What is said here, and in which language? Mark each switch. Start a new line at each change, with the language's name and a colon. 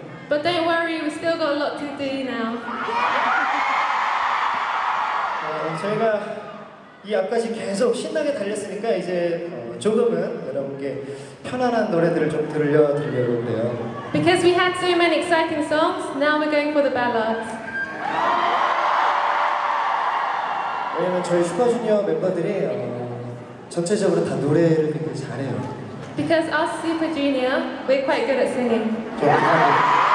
English: But don't worry, we've still got a lot to do now.
Korean: 저희가 이 앞까지 계속 신나게 달렸으니까 이제 조금은 여러분께 편안한 노래들을 좀 들려드리려고 해요.
English: Because we had so many exciting songs, now we're going for the ballads.
Korean: 왜냐면 저희 슈퍼주니어 멤버들이 전체적으로 다 노래를 되게 잘해요.
English: Because us Super Junior, we're quite good at singing.